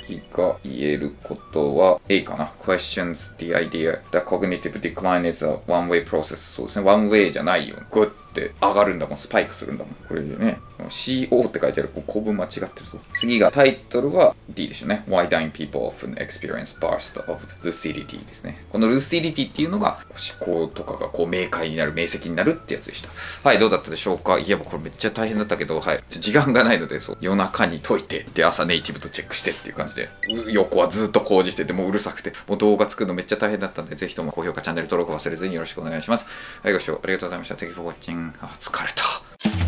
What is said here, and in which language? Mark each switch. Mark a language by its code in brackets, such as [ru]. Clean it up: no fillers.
[ja] 次が言えることは A かな。 [en] questions the idea the cognitive decline is a one way process。 [ja] そうですね、 one way じゃないよ。 good って上がるんだもん、スパイクするんだもん。これでね、 CO って書いてある、ここ文間違ってるぞ。次がタイトルは D でしょうね。 [en] Why dying people often experience bursts of lucidity [ja] ですね。この lucidity っていうのが思考とかがこう明快になる、明晰になるってやつでした。はい、どうだったでしょうか。いやもうこれめっちゃ大変だったけど、はい、時間がないので、そう夜中に解いて、で朝ネイティブとチェックしてっていう感じで、横はずっと工事してて、もううるさくて、もう動画作るのめっちゃ大変だったんで、ぜひとも高評価チャンネル登録忘れずによろしくお願いします。はい、ご視聴ありがとうございました。 [en] Thank you for watching。 [ja] 疲れた。